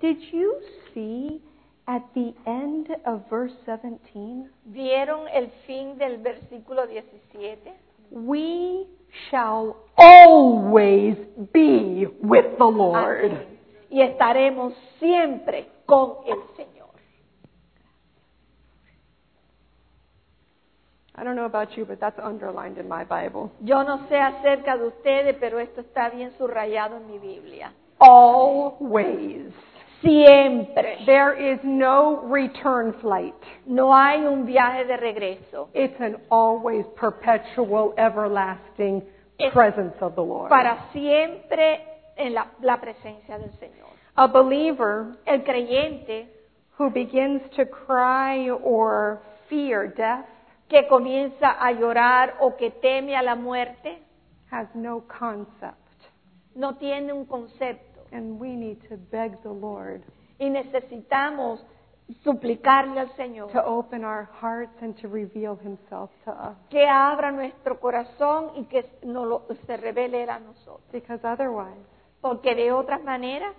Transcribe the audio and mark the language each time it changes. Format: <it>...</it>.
<en>Did you see at the end of verse 17?</en> <es>¿Vieron el fin del versículo 17?</es> <en>We shall always be with the Lord.</en> <es>Y estaremos siempre con el Señor.</es> <en>I don't know about you, but that's underlined in my Bible.</en> <es>Yo no sé acerca de ustedes, pero esto está bien subrayado en mi Biblia.</es> <en>Always.</en> <es>Siempre.</es> <en>There is no return flight.</en> <es>No hay un viaje de regreso.</es> <en>It's an always perpetual, everlasting presence of the Lord.</en> <es>Para siempre en la presencia del Señor.</es> <en>A believer,</en> <es>el creyente,</es> <en>who begins to cry or fear death,</en> <es>que comienza a llorar o que teme a la muerte,</es> <en>has no concept.</en> <es>No tiene un concepto.</es> <en>And we need to beg the Lord.</en> <es>Y necesitamos suplicarle al Señor.</es> <en>To open our hearts and to reveal himself to us.</en> <es>Que abra nuestro corazón y que se revele a nosotros.</es> <en>Because otherwise,</en> <es>porque de otras maneras,</es>